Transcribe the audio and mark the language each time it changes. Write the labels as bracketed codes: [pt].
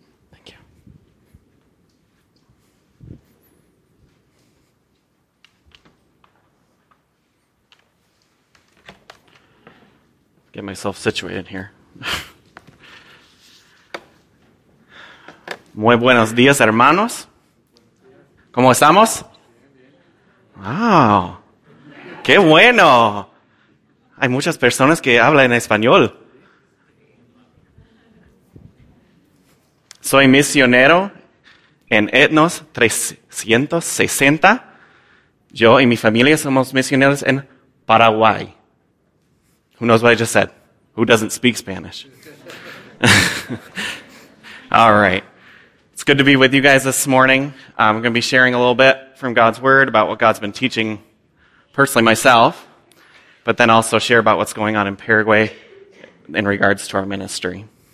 [en] Thank you. Get myself situated here. [es] Muy buenos días, hermanos. ¿Cómo estamos? Wow. ¡Qué bueno! Hay muchas personas que hablan en español. Soy misionero en Ethnos 360. Yo y mi familia somos misioneros en Paraguay. [en] Who knows what I just said? Who doesn't speak Spanish? All right. It's good to be with you guys this morning. I'm going to be sharing a little bit from God's Word about what God's been teaching personally myself, but then also share about what's going on in Paraguay in regards to our ministry.